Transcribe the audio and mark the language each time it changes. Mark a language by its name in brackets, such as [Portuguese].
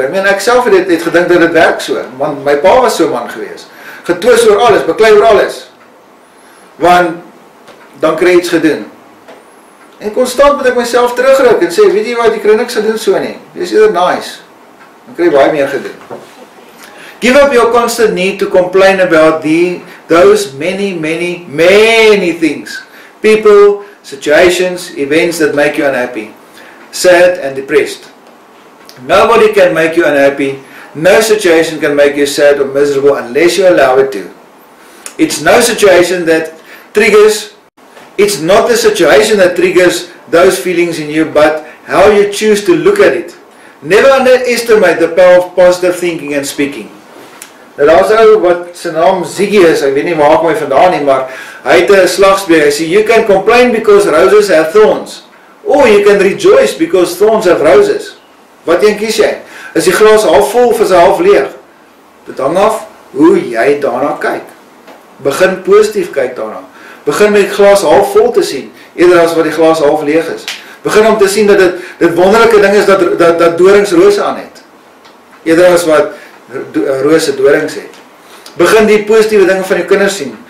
[Afrikaans] Ek meen ek self het gedink dat dit werk so, want my pa was so 'n man gewees. Getwis oor alles, beklei oor alles. Want dan kry jy iets gedoen. En konstant moet ek myself terugruk en sê, weet jy wat, jy kry niks gedoen so nie. Wees eerder nice. Dan kry jy baie meer gedoen. [English] Give up your constant need to complain about those many, many, many things. People, situations, events that make you unhappy. Sad and depressed. Nobody can make you unhappy. No situation can make you sad or miserable unless you allow it to. It's no situation that triggers. It's not the situation that triggers those feelings in you, but how you choose to look at it. Never underestimate the power of positive thinking and speaking. [Afrikaans] Dit was ou wat sy naam Ziggy is, ek weet nie waar kom hy vandaan nie, maar hy het 'n slagspreuk. Hy sê, [English] you can complain because roses have thorns. Or you can rejoice because thorns have roses. [Afrikaans] Wat een kies jy? Is die glas half vol of is hy half leeg? Dit hang af hoe jy daarna kyk. Begin positief kyk daarna. Begin met die glas half vol te sien, eerder as wat die glas half leeg is. Begin om te sien dat dit wonderlike ding is dat dorings rose aan het. Eerder as wat rose dorings het. Begin die positiewe dinge van jou kinders sien.